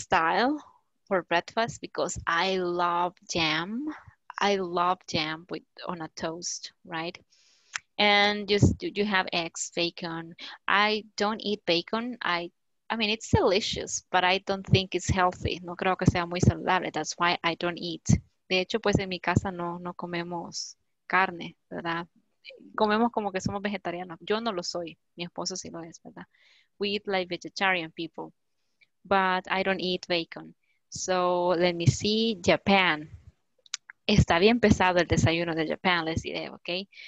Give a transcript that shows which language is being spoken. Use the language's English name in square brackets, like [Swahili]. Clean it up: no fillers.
[English] style for breakfast because I love jam. I love jam with on a toast, right? And just you have eggs, bacon. I don't eat bacon. I mean, it's delicious, but I don't think it's healthy. [Spanish] No creo que sea muy saludable. [English] That's why I don't eat. [Spanish] De hecho, pues en mi casa no comemos carne, ¿verdad? Comemos como que somos vegetarianos. Yo no lo soy. Mi esposo sí lo es, ¿verdad? [English] We eat like vegetarian people, but I don't eat bacon. So let me see Japan. [Spanish] Está bien pesado el desayuno de Japan, les diré, okay?